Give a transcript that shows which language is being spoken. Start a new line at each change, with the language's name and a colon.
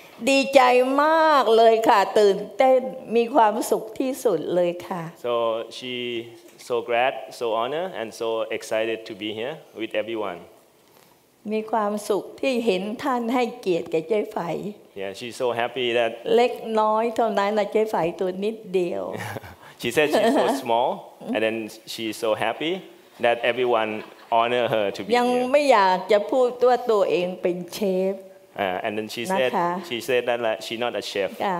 Thai: ดีใจมากเลยค่ะตื่นเต้นมีความสุขที่สุดเลยค่ะ
English: So she so glad, so honored, and so excited to be here with everyone.
Thai: มีความสุขที่เห็นท่านให้เกียรติแก่เจ๊ฝ่าย
English: Yeah, she's so happy that
Thai: เล็กน้อยเท่านั้นนะเจ๊ฝ่ายตัวนิดเดียว
English: She said she's so small, and then she's so happy that everyone honor her to be here.
Thai: ยังไม่อยากจะพูดตัวเองเป็นเชฟ
English: And then she said, she said that like, she's not a chef.